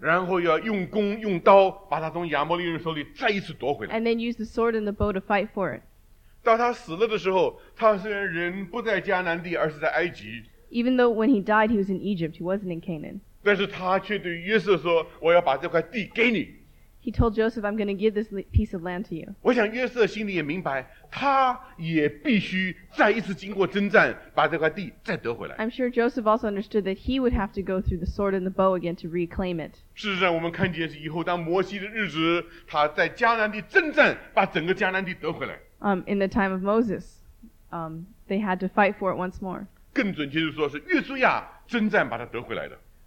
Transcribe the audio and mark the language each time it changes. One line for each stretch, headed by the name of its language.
Chinese: 然后要用弓用刀把它从亚摩利人手里再一次夺回来。
English: And then use the sword and the bow to fight for it.
Chinese: 到他死了的时候，他虽然人不在迦南地，而是在埃及。
English: Even though when he died, he was in Egypt. He wasn't in Canaan.
Chinese: 但是他却对约瑟说：“我要把这块地给你。”
English: He told Joseph, "I'm going to give this piece of land to you."
Chinese: 我想约瑟心里也明白。他也必须再一次经过征战，把这块地再得回来。
English: I'm sure Joseph also understood that he would have to go through the sword and the bow again to reclaim it.
Chinese: 事实上，我们看见是以后当摩西的日子，他在迦南地征战，把整个迦南地得回来。
English: In the time of Moses, they had to fight for it once more.
Chinese: 更准确的说，是约书亚征战把它得回来的。